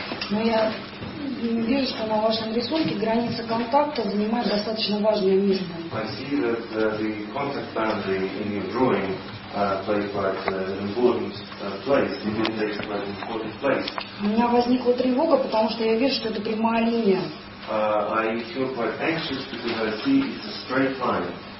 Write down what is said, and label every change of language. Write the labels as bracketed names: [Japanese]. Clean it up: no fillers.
[Russian] Ну я вижу, что на вашем рисунке граница контакта занимает достаточно важное место. [English] I see that the contact boundary in your drawing plays quite an important place. It is quite an important place. [Russian] У меня возникла тревога, потому что я вижу, что это прямая линия. [English] I feel quite anxious because I see it's a straight line.